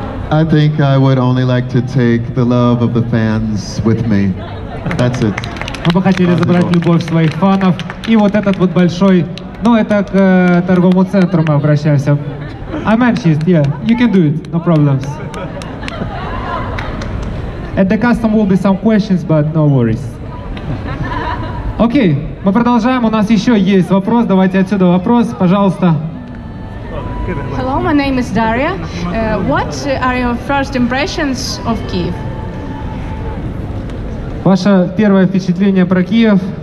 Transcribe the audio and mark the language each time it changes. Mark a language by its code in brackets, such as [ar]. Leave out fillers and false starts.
[en] I think I would only like to take the love of the fans with me. That's it. [ru] Мы бы хотели забрать любовь своих фанов и вот этот вот большой, ну это к торговому центру мы обращаемся. [en] I'm anxious, yeah. You can do it, no problems. At the custom will be some questions, but no worries. [ru] Окей, мы продолжаем. У нас еще есть вопрос. Давайте отсюда вопрос, пожалуйста. [en] Hello, my name is Daria. What are your first impressions of Kyiv? [ru] Ваше первое впечатление про Киев?